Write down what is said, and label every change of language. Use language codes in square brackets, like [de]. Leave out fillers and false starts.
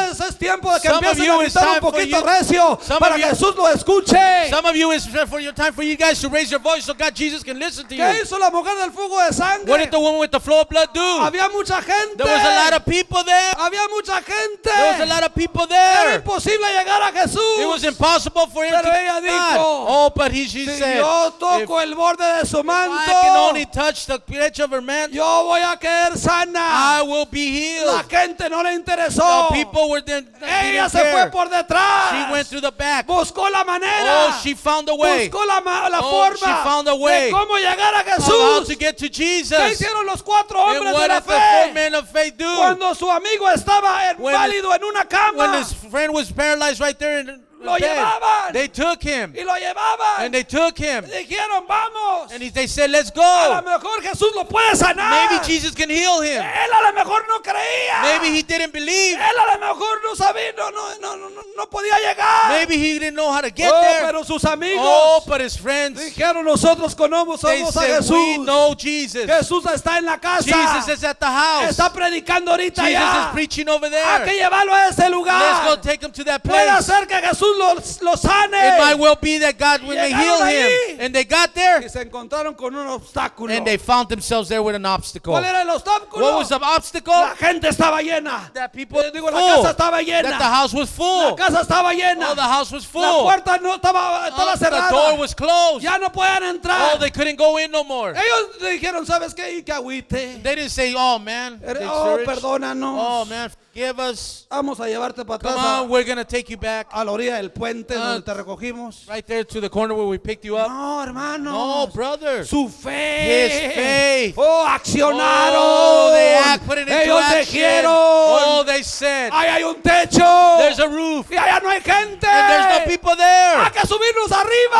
[es] Es tiempo de que empiecen a gritar un poquito recio para que Jesús lo escuche. [en] Some of you, it's for your time for you guys to raise your voice so God Jesus can listen to you. [es] ¿Qué hizo la mujer del flujo de sangre? [en] What did the woman with the flow of blood do? [es] Había mucha gente. [en] There was a lot of people there. [es] Había mucha gente. [en] There was a lot of people there. [es] Era imposible llegar a Jesús. [en] It was impossible for him [es] Pero [en] to [es] ella dijo, God. [en] Oh, but she [es] si [en] said, [es] yo toco el borde de su manto, [en] if I can only touch the edge of her mantle, [es] yo voy a quedar sana. [en] I will be healed. [es] La gente no le interesó. [en] The people were then. [es] Ella se fue por detrás. [en] She went through the back. [es] Buscó la manera. [en] Oh, she found a way. [es] Buscó la forma. [en] She found a way. [es] De cómo llegar a Jesús. [en] How to get to Jesus. [es] ¿Qué hicieron los cuatro hombres [en] and what [es] de la [en] did [es] fe? [en] The four men of faith do? [es] Cuando su amigo estaba inválido en una cama. [en] When his friend was paralyzed right there in the [es] lo [en] bed. [es] Llevaban. [en] They took him. [es] Y lo llevaban. [en] And they took him. [es] Y dijeron, vamos. [en] And they said, let's go. [es] A lo mejor Jesús lo puede sanar. [en] Maybe Jesus can heal him. [es] Él a lo mejor no creía. [en] Maybe he didn't believe. [es] Él a lo mejor no sabía, no podía llegar. [en] Maybe he didn't know how to get there. [es] Pero sus amigos. [en] Oh, but his friends. [es] Dijeron, nosotros conocemos a Jesús. [en] They said, we know Jesus. [es] Jesús está en la casa. [en] Jesus is at the house. [es] Está predicando ahorita [en] Jesus [es] ya. [en] Jesus is preaching over there. [es] Hay que llevarlo a ese lugar. [en] Let's go take him to that place. It might well be that God will heal him. And they got there. [es] Y se encontraron con un obstáculo. [en] And they found themselves there with an obstacle. [es] ¿Cuál era el obstáculo? [en] What was the obstacle? [es] La gente estaba llena. [en] That people [es] digo, full. La casa estaba llena. [en] That the house was full. [es] La casa estaba llena. [en] Oh, the house was full. [es] La puerta no estaba cerrada. [en] The door was closed. [es] Ya no podían entrar. [en] Oh, they couldn't go in no more. [es] Ellos dijeron, ¿sabes qué? Y que agüite. [en] They didn't say, oh man. [es] Oh, perdónanos. [en] Oh man. Give us. [es] Vamos a llevarte para [en] come [es] atrás [en] on, we're going to take you back. [es] A la orilla del puente donde te recogimos. [en] Right there to the corner where we picked you up. [es] No, hermanos. [en] No, brother. [es] Su fe. [en] His faith. [es] Oh, accionaron. [en] Oh, they act, put it into [es] ellos [en] action. [es] Dijeron, [en] oh, they said. [es] Ahí hay un techo. [en] There's a roof. [es] Y allá no hay gente. [en] And there's no people there. [es] Hay que subirnos arriba.